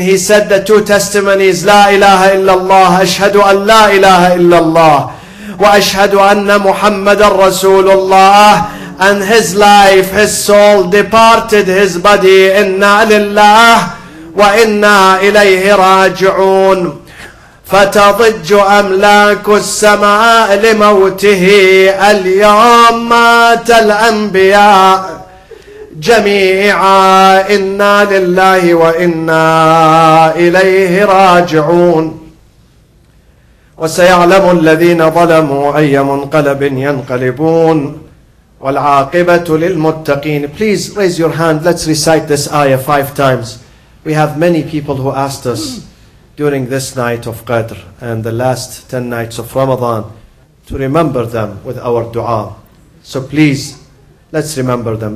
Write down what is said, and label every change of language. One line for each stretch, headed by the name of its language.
English: He said the two testimonies,
Arabic: لا إله إلا الله, أشهد أن لا إله إلا الله, وأشهد أن محمد رسول الله.
English: And his life, his soul departed his body.
Arabic: Inna lillah wa inna ilayhi raji'un. فتضج أملاك السماء لموته اليوم مات الأنبياء جميعا إنا لله وإنا إليه راجعون وسيعلم الذين ظلموا أي منقلب ينقلبون والعاقبة للمتقين.
English: Please raise your hand. Let's recite this ayah 5 times. We have many people who asked us during this night of Qadr and the last 10 nights of Ramadan to remember them with our dua. So please, let's remember them.